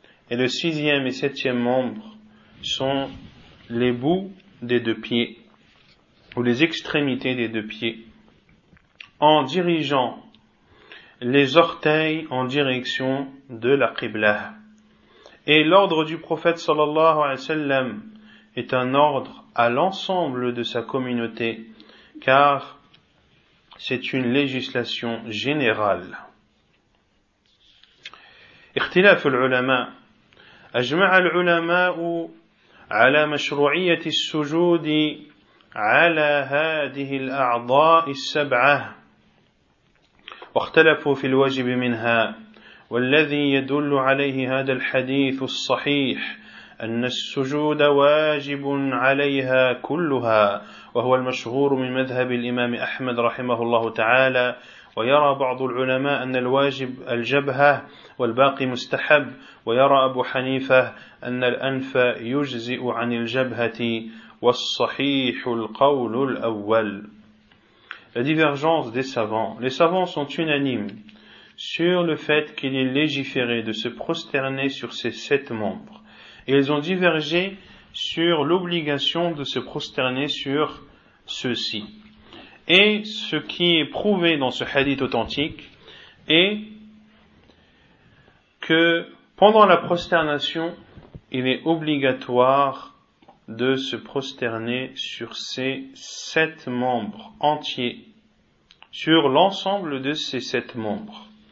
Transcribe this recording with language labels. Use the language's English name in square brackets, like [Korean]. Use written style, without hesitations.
[French] Et le sixième et septième membre sont les bouts des deux pieds, ou les extrémités des deux pieds, en dirigeant les orteils en direction de la Qibla. Et l'ordre du prophète sallallahu alayhi wa sallam est un ordre à l'ensemble de sa communauté, car c'est une législation générale. [Arabic] اختلاف العلماء. أجمع العلماء على مشروعية السجود على هذه الأعضاء السبعة، واختلفوا في الواجب منها. والذي يدل عليه هذا الحديث الصحيح أن السجود واجب عليها كلها، وهو المشهور من مذهب الإمام أحمد رحمه الله تعالى. ويرى بعض العلماء أن الواجب الجبهة والباقي مستحب، ويرى أبو حنيفة أن الأنف يجزئ عن الجبهة، والصحيح القول الأول. [French] La divergence des savants. Les savants sont unanimes sur le fait qu'il est légiféré de se prosterner sur ses sept membres. Et ils ont divergé sur l'obligation de se prosterner sur ceux-ci. Et ce qui est prouvé dans ce hadith authentique est que pendant la prosternation, il est obligatoire de se prosterner sur ses sept membres entiers, sur l'ensemble de ses sept membres.